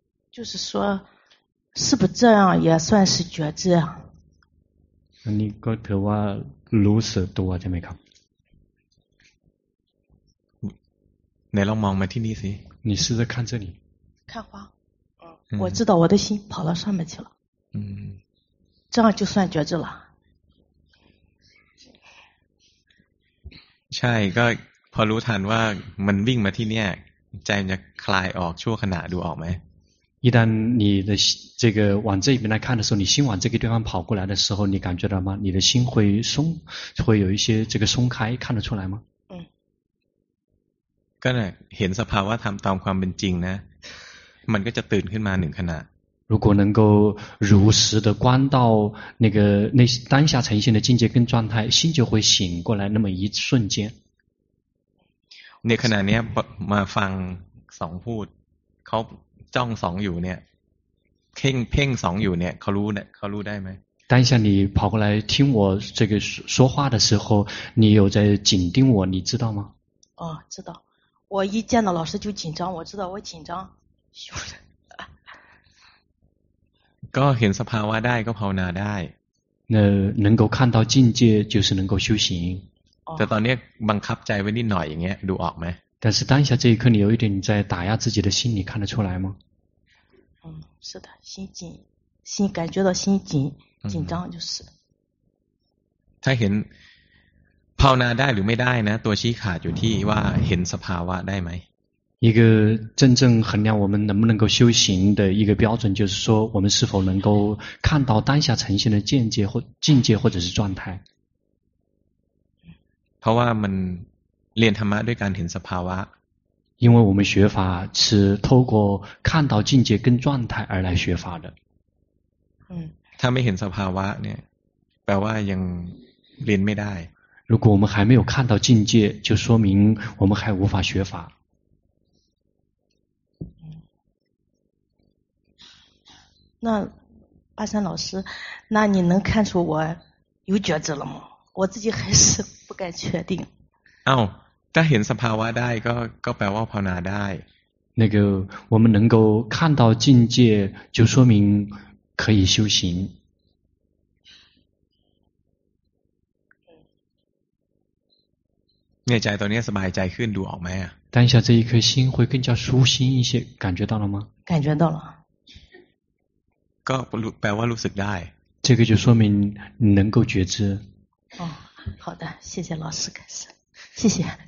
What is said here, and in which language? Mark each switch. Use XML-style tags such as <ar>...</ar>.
<zh>就是说是不这样也算是觉知啊</zh> <th>อันนี้ก็ถือว่ารู้สึกตัวใช่ไหมครับ ไหนลองมองมาที่นี่สิ</th> <zh>你试着看这里看花我知道我的心跑到上面去了嗯这样就算觉知了</zh> <th>ใช่ก็พอรู้ทันว่ามันวิ่งมาที่เนี่ยใจจะคลายออกชั่วขณะดูออกไหม</th> <zh>一旦你的这个往这边来看的时候你心往这个地方跑过来的时候你感觉到吗你的心会松会有一些这个松开看得出来吗嗯</zh> <th>ก็เนี่ยเห็นสภาวะธรรมตามความเป็นจริงนะมันก็จะตื่นขึ้นมาหนึ่งขณะ</th> <zh>如果能够如实的观到那个那当下呈现的境界跟状态心就会醒过来那么一瞬间</zh> <th>เนี่ยขณะเนี้ยมาฟังสองพูดเขาจ้องสองอยู่เนี่ยเพ่งสองอยู่เนี่ยเขารู้ได้ไหม</th> <zh>当下你跑过来听我这个说话的时候你有在紧盯我你知道吗哦知道我一见到老师就紧张我知道我紧张</zh> <th>ก็เห็นสภาวะได้ก็ภาวนาได้</th> <zh>เน่能够看到境界就是能够修行</zh> <th>แต่ตอนนี้บังคับใจไว้นิดหน่อยอย่างเงี้ยดูออกไหม</th> <zh>但是当下这一刻你有一点在打压自己的心你看得出来吗嗯是的心紧心感觉到心紧紧张就是</zh> <th>ถ้าเห็นภาวนาได้หรือไม่ได้นะตัวชี้ขาดอยู่ที่ว่าเห็นสภาวะได้ไหม</th> <zh>一个真正衡量我们能不能够修行的一个标准就是说我们是否能够看到当下呈现的见解或境界或者是状态</zh> <th>เพราะว่ามันเรียนธรรมะด้วยการเห็นสภาวะ</th> <zh>因为我们学法是透过看到境界跟状态而来学法的嗯</zh> <th>ถ้าไม่เห็นสภาวะเนี่ยแปลว่ายังเรียนไม่ได้</th> <zh>如果我们还没有看到境界就说明我们还无法学法那巴山老师那你能看出我有觉知了吗我自己还是不敢确定哦但是</zh> <th>สภาวะได้ก็แปลว่าภาวนาได้</th> <zh>那个我们能够看到境界就说明可以修行</zh> <th>เนี่ยใจตอนนี้สบายใจขึ้นดูออกไหม</th> <zh>当下这一颗心会更加舒心一些感觉到了吗感觉到了</zh> <th>ก็แปลว่ารู้สึกได้</th> <zh>这个就说明能够觉知哦好的谢谢老师开始谢谢</zh>